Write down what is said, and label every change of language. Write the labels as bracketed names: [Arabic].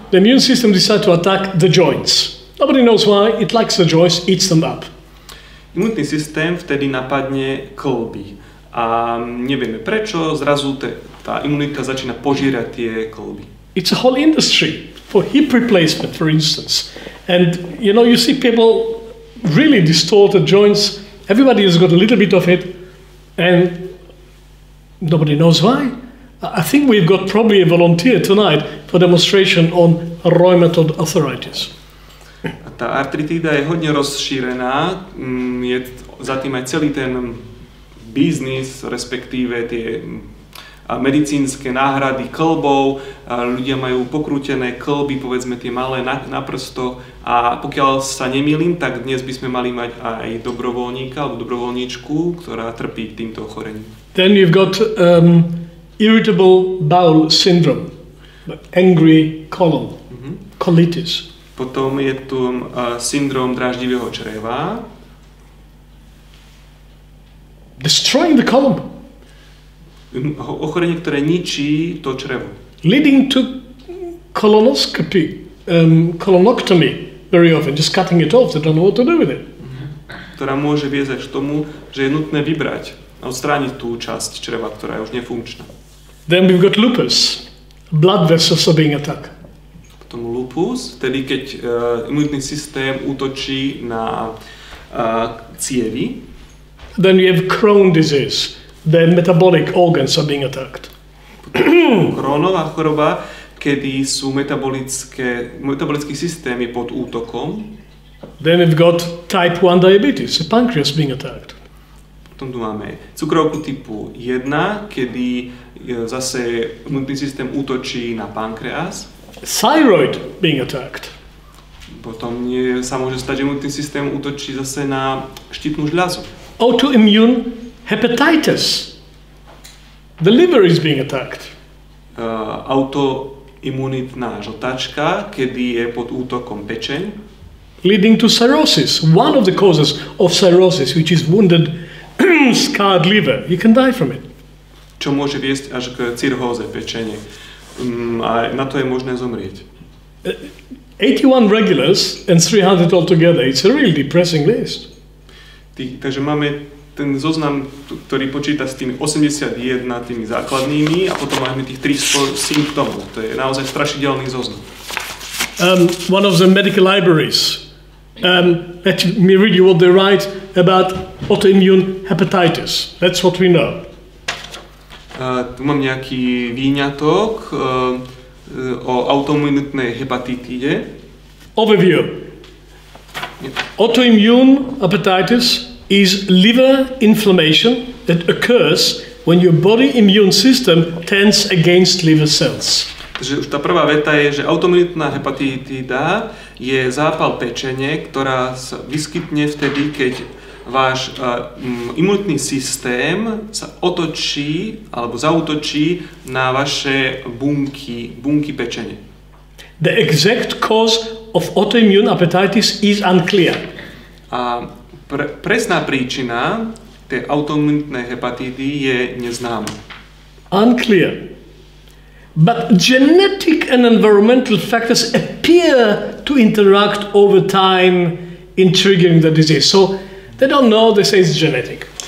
[English] The immune system decides to attack the joints. Nobody knows why, it likes the joints, eats them up. [Slovak] Imunitný systém vtedy napadne kĺby. A nevieme prečo, zrazu tá imunita začína požírať tie kĺby. [English] It's a whole industry for hip replacement, for instance. And you know, you see people really distorted joints. Everybody has got a little bit of it. And nobody knows why. I think we've got probably a volunteer tonight for demonstration on rheumatoid arthritis. [Slovak] Tá artritída je hodne rozšírená. Je za tým aj celý ten biznis, respektíve tie medicínske náhrady kĺbov. Ľudia majú pokrútené kĺby, povedzme tie malé na prsto. A pokiaľ sa nemýlim, tak dnes by sme mali mať aj dobrovoľníka alebo dobrovoľníčku, ktorá trpí týmto ochorením. [English] Then you've got irritable bowel syndrome, angry colon, colitis. [Slovak] Potom je tu syndrom dráždivého čreva. [English] Destroying the colon. [Slovak] Ochorenie, ktoré ničí to črevo. [English] Leading to colonoscopy, colonoctomy very often, just cutting it off, they don't know what to do with it. [Slovak] Ktorá môže viesť k tomu, že je nutné vybrať a odstrániť tú časť čreva, ktorá je už nefunkčná. [English] Then we've got lupus, blood vessels are being attacked. [Slovak] Potom lupus, tedy keď imunitný systém útočí na cievy. [English] Then you have Crohn disease, the metabolic organs are being attacked. [Slovak] Crohnova choroba, kedy sú metabolický systém je pod útokom. [English] Then you've got type 1 diabetes, the pancreas being attacked. [Slovak] Potom tu máme cukrovku typu 1, kedy zase imunitný systém útočí na pankreas. [English] Thyroid being attacked. [Slovak] Potom sa môže stať, že imunitný systém útočí zase na štítnu žľazu. [English] Autoimmune hepatitis. The liver is being attacked. [Slovak] Autoimmunitná žltačka, kedy je pod útokom pečeň. [English] Leading to cirrhosis. One of the causes of cirrhosis, which is wounded, scarred liver. You can die from it. [Slovak] Čo môže viesť až k cirhóze, pečenie. A na to je možné zomrieť. [English] 81 regulars and 300 altogether. It's a really depressing list. [Slovak] Takže máme ten zoznam, ktorý počíta s tými 81 tými základnými a potom máme tých 300 symptómov. To je naozaj strašidelný zoznam. [English] One of the medical libraries. Let me read you what they write about autoimmune hepatitis. That's what we know. [Slovak] Tu mám nejaký výňatok o autoimmunitnej hepatitíde. [English] Overview. Autoimmune hepatitis is liver inflammation that occurs when your body immune system tends against liver cells. [Slovak] Takže už tá prvá veta je, že autoimmunitná hepatitída je zápal pečene, ktorá sa vyskytne vtedy, keď váš imunitný systém sa otočí alebo zaútočí na vaše bunky pečene. [English] The exact cause of autoimmune hepatitis is unclear. [Slovak] A presná príčina tej autoimmunitnej hepatitídy je neznáma. [English] Unclear. But genetic and environmental factors appear to interact over time in triggering the disease. So they don't know, they say it's genetic.